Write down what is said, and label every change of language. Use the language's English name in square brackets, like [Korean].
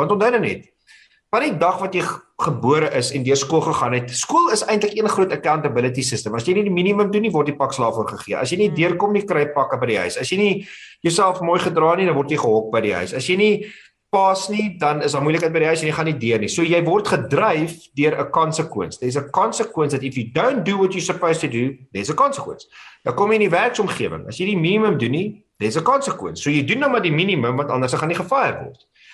[Afrikaans] Want onthou dan net, van die dag wat jy gebore is en deur skool gegaan het, skool is eintlik een groot accountability system. As jy nie die minimum doen nie, word jy pak slaaf oorgegee. As jy nie deurkom nie, kry pakke by die huis. As jy nie jouself mooi gedra nie, dan word jy gehok by die huis. As jy nie pas nie, dan is daar moeilikheid by die huis en jy gaan nie deur nie. So jy word gedryf deur 'n consequence. [English] There's a consequence that if you don't do what you're supposed to do, there's a consequence. [Afrikaans] Nou kom jy in die werksomgewing. As jy die minimum doen nie, [English] there's a consequence. [Afrikaans] So jy doen nou maar die minimum, want anders gaan jy gefire word.